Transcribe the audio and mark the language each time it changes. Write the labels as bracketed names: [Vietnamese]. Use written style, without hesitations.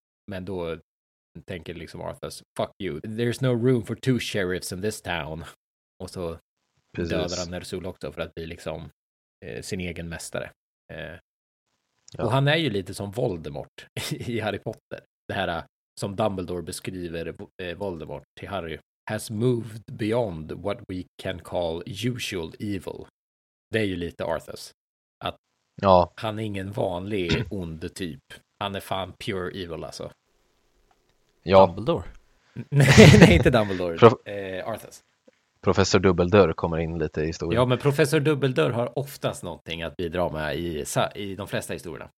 [Swedish] Men då tänker liksom Arthas, [English] fuck you, there's no room for two sheriffs in this town. [Swedish] Och så dödar han Ner'zhul också för att bli liksom sin egen mästare. Och han är ju lite som Voldemort i Harry Potter. Det här som Dumbledore beskriver Voldemort till Harry. [English] Has moved beyond what we can call usual evil. [Swedish] Det är ju lite Arthas. Att ja. Han är ingen vanlig ond typ. Han är fan pure evil alltså. Ja. Dumbledore? Nej, inte Dumbledore. Arthas. Professor Dubbeldörr kommer in lite i historien. Ja, men professor Dubbeldörr har oftast någonting att bidra med i de flesta historierna.